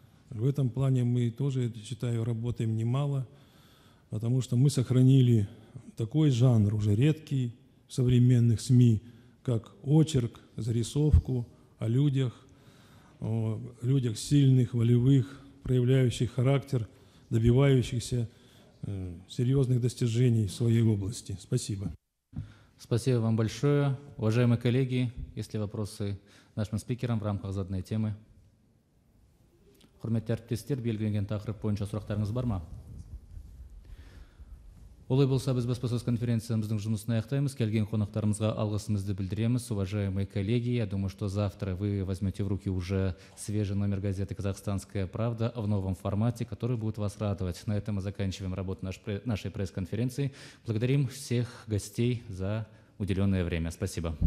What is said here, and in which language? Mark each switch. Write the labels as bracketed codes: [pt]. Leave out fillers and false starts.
[ru] В этом плане мы тоже, считаю, работаем немало, потому что мы сохранили такой жанр, уже редкий в современных СМИ, как очерк, зарисовку о людях, людях сильных, волевых, проявляющих характер, добивающихся серьезных достижений в своей области. Спасибо. Спасибо вам большое. Уважаемые коллеги, есть ли вопросы нашим спикерам в рамках заданной темы? [kk] Құрметті әріптестер, белгіленген тақырып бойынша сұрақтарыңыз бар ма? Олай болса, біз баспасөз конференциямыздың жұмысын аяқтаймыз. Келген қонақтарымызға алғысымызды білдіреміз. [ru] Уважаемые коллеги, я думаю, что завтра вы возьмете в руки уже свежий номер газеты «Казахстанская правда» в новом формате, который будет вас радовать. На этом мы заканчиваем работу нашей пресс-конференции. Благодарим всех гостей за уделенное время. Спасибо.